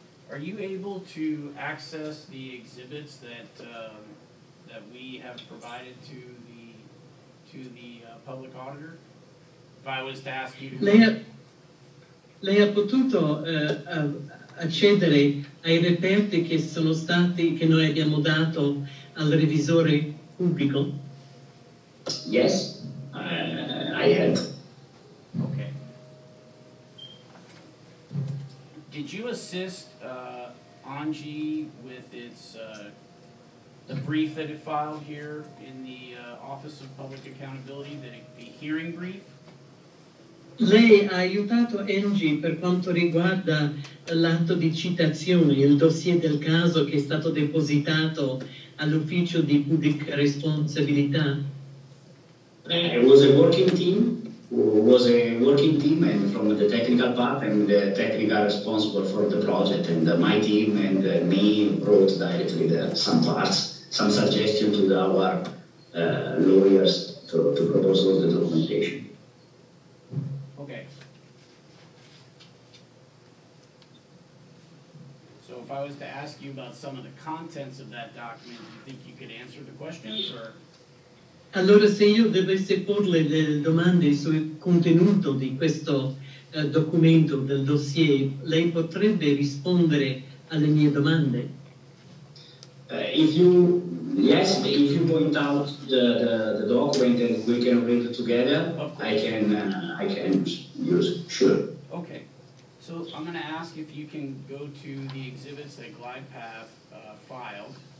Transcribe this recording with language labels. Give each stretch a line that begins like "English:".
English: Are you able to access the exhibits that that we have provided to the public auditor? If I was to ask you to...
Italian: Lei ha potuto accedere ai reperti che noi abbiamo dato al revisore pubblico?
English: Yes, I had. Okay. Did you assist Anji with its the brief that it filed here in the Office of Public Accountability, that it be hearing brief.
Italian: Lei ha aiutato Engie per quanto riguarda l'atto di citazione, il dossier del caso che è stato depositato all'ufficio di pubblica responsabilità?
English: It was a working team. Was a working team and from the technical part and the technical responsible for the project and my team and me wrote directly the, some parts, some suggestions to the, our lawyers to propose all the documentation. Okay. So if I was to ask you about some of the contents of that document, do you think you could answer the questions or?
Italian: Allora, se io dovessi porle le domande sul contenuto di questo documento, del dossier, lei potrebbe rispondere alle mie domande?
English: If you point out the document and we can read it together, I can use it. Sure. Okay. So I'm going to ask if you can go to the exhibits that GlidePath filed.